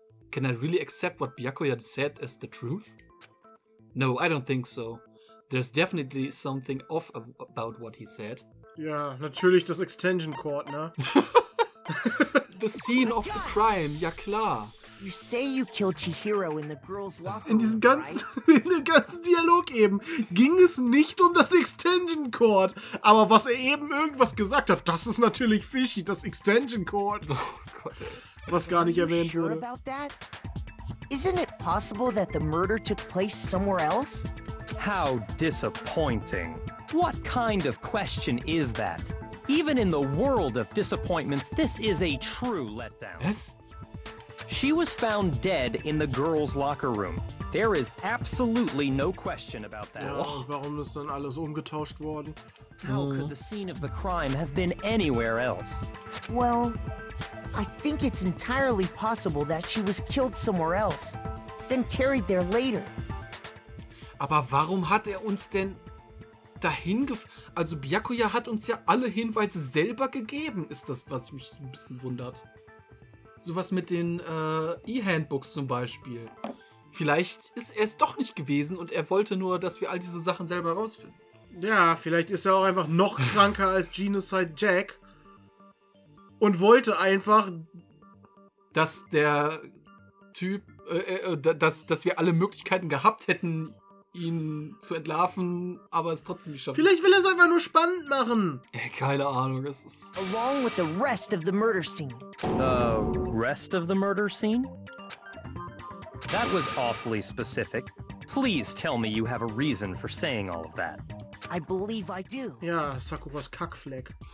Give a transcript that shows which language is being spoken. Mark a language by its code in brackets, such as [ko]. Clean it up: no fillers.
[en] Can I really accept what Byakuya said as the truth? No, I don't think so. There's definitely something off about what he said. [de] Ja, natürlich das Extension Cord, ne? [en] The scene of the crime, [de] ja klar. [en] You say you killed Chihiro in the girl's locker room, [de] in diesem ganzen, in dem ganzen Dialog eben, ging es nicht um das Extension Cord. Aber was er eben irgendwas gesagt hat, das ist natürlich fishy, das Extension Cord. Oh Gott, ey. Was gar nicht erwähnt wurde. [en] About that? Isn't it possible that the murder took place somewhere else? How disappointing. What kind of question is that? Even in the world of disappointments, this is a true letdown. Yes? She was found dead in the girls' locker room. There is absolutely no question about that. [de] Ja, warum ist dann alles umgetauscht worden? [en] How could the scene of the crime have been anywhere else? Well, I think it's entirely possible that she was killed somewhere else, then carried there later. [de] Aber warum hat uns denn dahin also Byakuya hat uns ja alle Hinweise selber gegeben, ist das, was mich ein bisschen wundert. Sowas mit den E-Handbooks zum Beispiel. Vielleicht ist er es doch nicht gewesen und er wollte nur, dass wir all diese Sachen selber rausfinden. Ja, vielleicht ist er auch einfach noch kranker als Genocide Jack und wollte einfach, dass der Typ, dass wir alle Möglichkeiten gehabt hätten, ihn zu entlarven, aber es trotzdem nicht schafft. Vielleicht will er es einfach nur spannend machen. Keine Ahnung, es ist... [en] Along with the rest of the murder scene. The rest of the murder scene? That was awfully specific. Please tell me you have a reason for saying all of that. I believe I do. [de] Ja, Sakuras Kackfleck.